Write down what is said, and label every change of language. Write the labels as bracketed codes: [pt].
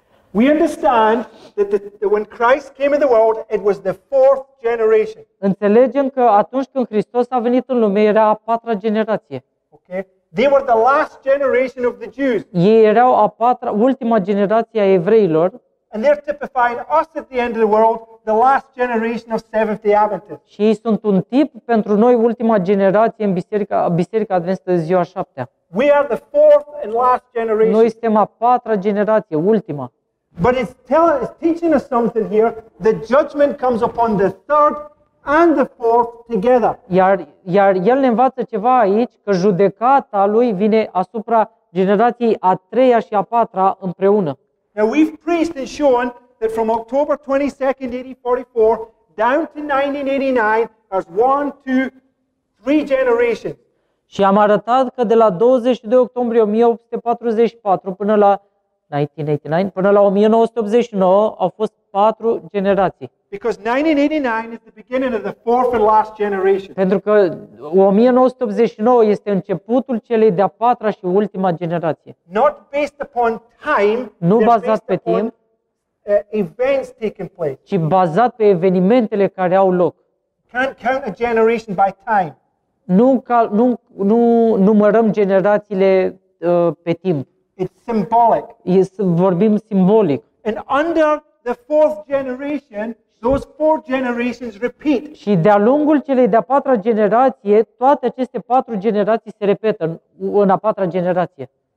[en] We understand that when Christ came in the world, it was the fourth generation. [ro] Înțelegem că atunci când Hristos a venit în lume, era a patra generație. [en] Okay. They were the last generation of the Jews. [ro] Ei erau a patra, ultima generație a evreilor. [en] And they're typifying us at the end of the world, the last generation of Seventh-day Adventists. [ro] Și ei sunt un tip pentru noi, ultima generație în biserica adventistă de ziua șaptea. [en] We are the fourth and last generation. [ro] Noi suntem a patra generație, ultima. [en] But it's teaching us something here. The judgment comes upon the third and the fourth together. [ro] Iar el ne învață ceva aici, că judecata lui vine asupra generației a treia și a patra împreună. [en] Now we've preached and shown that from October 22nd, 1844, down to 1989, there's one, two, three generations. [ro] Și am arătat că de la 22 octombrie 1844 până la 1989, până la 1989 au fost patru generații. [en] Because 1989 is the beginning of the fourth and last generation. [ro] Pentru că 1989 este începutul celei de-a patra și ultima generație. [en] Not based upon time, [ro] nu bazat pe timp, [en] events taking place, [ro] ci bazat pe evenimentele care au loc. [en] Can't count a generation by time. [ro] Nu numărăm generațiile pe timp. [en] It's symbolic. [ro] Vorbim simbolic. [en] And under the fourth generation, those four generations repeat. [ro] Și de-a lungul celei de-a patra generație, toate aceste patru generații se repetă în a patra generație.